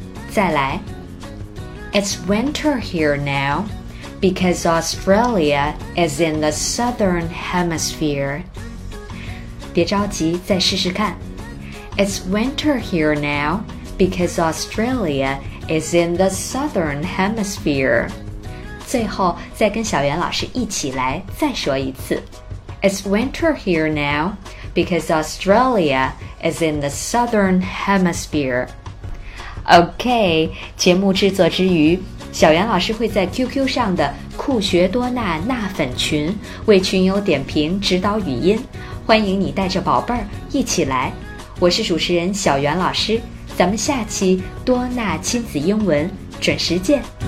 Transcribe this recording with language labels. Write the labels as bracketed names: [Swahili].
[Chinese] 再来 [English] It's winter here now because Australia is in the southern hemisphere。 [Chinese] 别着急，再试试看。 [English] It's winter here now because Australia is in the southern hemisphere. [Chinese] 最后再跟小袁老师一起来再说一次。 [English] It's winter here now because Australia is in the southern hemisphere. [Chinese] OK, 节目制作之余，小袁老师会在 QQ 上的酷学多纳纳粉群为群友点评指导语音，欢迎你带着宝贝儿一起来。我是主持人小袁老师，咱们下期多纳亲子英文准时见。